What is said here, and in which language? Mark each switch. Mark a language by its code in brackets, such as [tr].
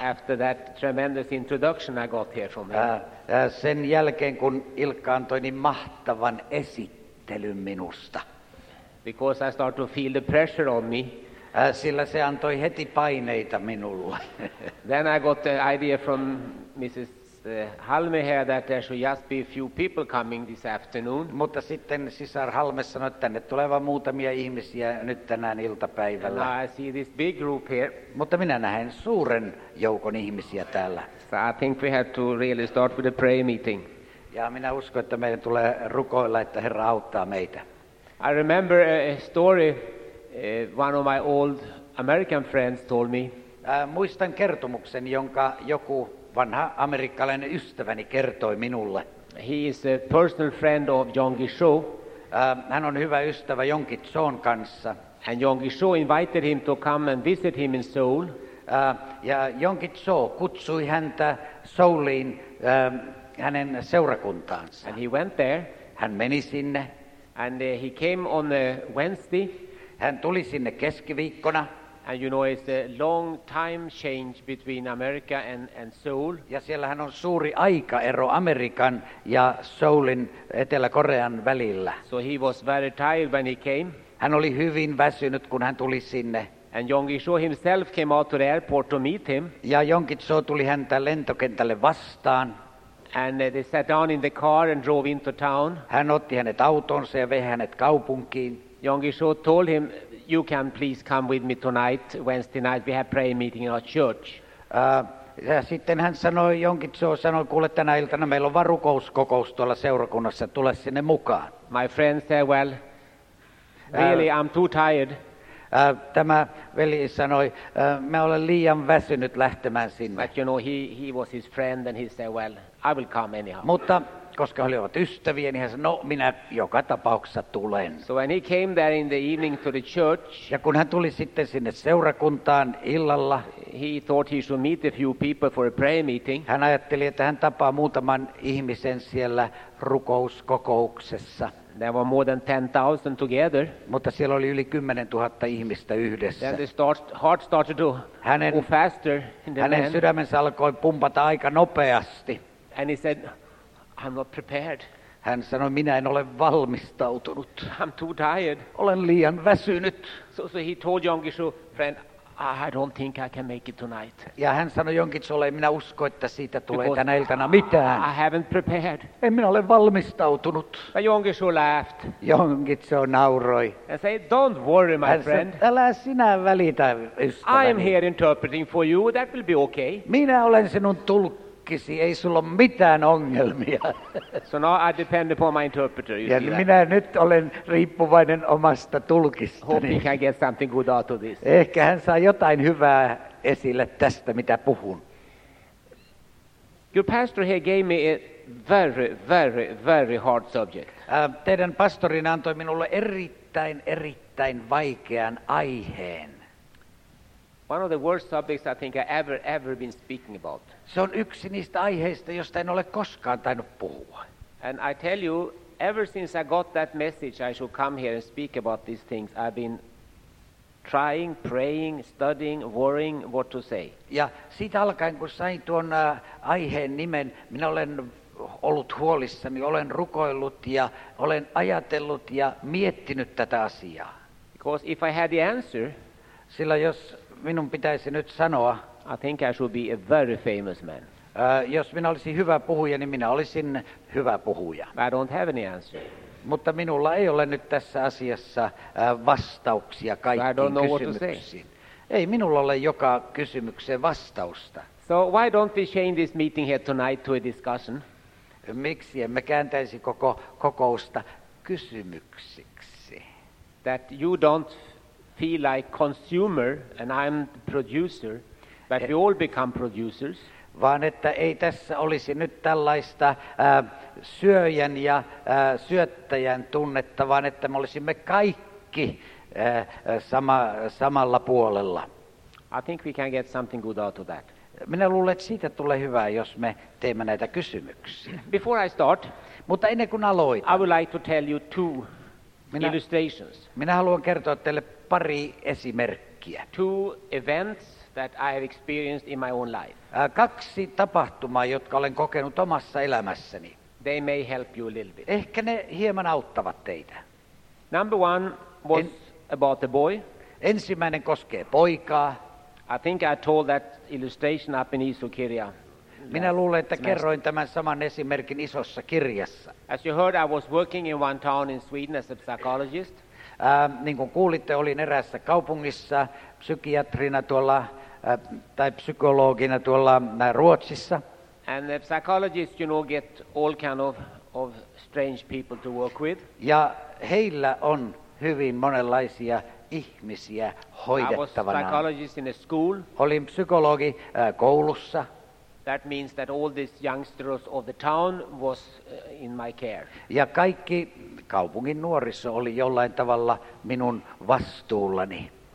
[en] After that tremendous introduction I got here from him. [fi] Sen jälkeen kun Ilkka antoi niin mahtavan esittelyn minusta. [en] Because I start to feel the pressure on me. [fi] Sillä se antoi heti paineita minulle. [en] Then I got the idea from Mrs. Halme here that there should just be a few people coming this afternoon. [fi] Mutta sitten sisar Halme sanoi, että tänne tulee vain muutamia ihmisiä nyt tänään iltapäivällä. [en] And I see this big group here. [fi] Mutta minä näen suuren joukon ihmisiä täällä. [en] So I think we have to really start with a prayer meeting. [fi] Ja minä uskon, että meidän tulee rukoilla, että Herra auttaa meitä. [en] I remember a story one of my old American friends told me. [fi] Muistan kertomuksen, jonka joku vanha amerikkalainen ystäväni kertoi minulle. [en] He is a personal friend of Yonggi Cho. [fi] Hän on hyvä ystävä Yonggi Chon kanssa. [en] And Yonggi Cho invited him to come and visit him in Seoul. [fi] Ja Yonggi Cho kutsui häntä Seouliin hänen seurakuntaansa. [en] And he went there. [fi] Hän meni sinne. [en] And he came on Wednesday. [fi] Hän tuli sinne keskiviikkona. [en] And you know it's a long time change between America and Seoul. [fi] Ja siellähän on suuri aikaero Amerikan ja Seoulin Etelä-Korean välillä. [en] So he was very tired when he came. [fi] Hän oli hyvin väsynyt kun hän tuli sinne. [en] And Yonggi Cho himself came out to the airport to meet him. [fi] Ja Yonggi Cho tuli häntä lentokentälle vastaan. [en] And they sat down in the car and drove into town. [fi] Hän otti hänet autonsa ja vei hänet kaupunkiin. [en] Yonggi Cho told him, "You can please come with me tonight, Wednesday night. We have prayer meeting in our church." [fi] Ja sitten hän sanoi, Yonggi Cho sanoi, "Kuule, tänä iltana meillä on vaan rukouskokous tuolla seurakunnassa. Tule sinne mukaan." [en] My friend said, "Well, really, I'm too tired." [fi] Tämä veli sanoi, "Mä olen liian väsynyt lähtemään sinne." [en] But you know, he was his friend, and he said, "Well, I will come anyhow." [fi] Mutta koska he olivat ystäviä, niin hän sanoi, "No, minä joka tapauksessa tulen." [en] So when he came there in the evening to the church, [fi] ja kun hän tuli sitten sinne seurakuntaan illalla, [en] he thought he should meet a few people for a prayer meeting. [fi] Hän ajatteli, että hän tapaa muutaman ihmisen siellä rukouskokouksessa. [en] There were more than 10,000 together. [fi] Mutta siellä oli yli 10,000 ihmistä yhdessä. [en] Then the heart started to go faster. [fi] Hänen sydämensä alkoi pumpata aika nopeasti. [en] And he said, "I'm not prepared." [fi] Hän sanoi, "Minä en ole valmistautunut." [en] "I'm too tired." [fi] "Olen liian väsynyt." [en] So he told Yonggi Cho, "Friend, I don't think I can make it tonight." [fi] Ja hän sanoi Yonggi Cholle, "Minä usko, että siitä tulee tänä iltana mitään." [en] "I haven't prepared." [fi] "En minä ole valmistautunut." [en] But Yonggi Cho laughed. [fi] Yonggi Cho nauroi. [en] And said, "Don't worry, my friend." [fi] Hän sanoi, "Älä sinä välitä, ystäväni." [en] "I'm here interpreting for you. That will be okay." [fi] "Minä olen sinun tulkki. Ei sulla ole mitään ongelmia." [en] So now I depend upon my interpreter. [fi] Ja minä nyt olen riippuvainen omasta tulkistani. [en] Hope he can get something good out of this. [fi] Ehkä hän saa jotain hyvää esille tästä, mitä puhun. [en] Your pastor here gave me a very, very, very hard subject. [fi] Teidän pastorin antoi minulle erittäin, erittäin vaikean aiheen. [en] One of the worst subjects I think I've ever been speaking about. [fi] Se on yksi niistä aiheista, josta en ole koskaan tainnut puhua. [en] And I tell you, ever since I got that message I should come here and speak about these things, I've been trying, praying, studying, worrying what to say. [fi] Ja siitä alkaen, kun sain tuon aiheen nimen, minä olen ollut huolissani, olen rukoillut ja olen ajatellut ja miettinyt tätä asiaa. [en] Because if I had the answer, [fi] sillä jos minun pitäisi nyt sanoa, [en] I think I should be a very famous man. [fi] Jos minä olisin hyvä puhuja, niin minä olisin hyvä puhuja. [en] I don't have any answer. [fi] Mutta minulla ei ole nyt tässä asiassa vastauksia kaikkiin kysymyksiin. Ei minulla ole joka kysymykseen vastausta. [en] So why don't we change this meeting here tonight to a discussion? [fi] Miksi emme kääntäisi koko kokousta kysymyksiksi? [en] That you don't feel like consumer and I'm the producer. But we all become producers. [fi] Vaan että ei tässä olisi nyt tällaista syöjän ja syöttäjän tunnetta, vaan että me olisimme kaikki. kaikki samalla puolella. [en] I think we can get something good out of that. [fi] Minä luulen, että siitä tulee hyvää, jos me teemme näitä kysymyksiä. [en] Before I start, [fi] mutta ennen kuin aloitan, [en] I would like to tell you two illustrations. [fi] Minä haluan kertoa teille pari esimerkkiä. [en] Two events that I have experienced in my own life. [fi] Kaksi tapahtumaa, jotka olen kokenut omassa elämässäni. [en] They may help you a little bit. [fi] Ehkä ne hieman auttavat teitä. [en] Number one was about a boy. [fi] Ensimmäinen koskee poikaa. [en] I think I told that illustration up in Isokirja. [fi] Minä luulen, että kerroin tämän saman esimerkin isossa kirjassa. [en] As you heard, I was working in one town in Sweden as a psychologist. [fi] Niin kuin kuulitte, olin eräässä kaupungissa psykiatrina tuolla tai psykologina tuolla Ruotsissa. [en] And the psychologist, you know, get all kind of strange people to work with. [fi] Ja heillä on hyvin monenlaisia ihmisiä hoidettavana. [en] I was psychologist in a school. [fi] Olin psykologi koulussa. [en] That means that all these youngsters of the town was in my care. [fi] Ja kaikki kaupungin nuoriso oli jollain tavalla minun vastuullani.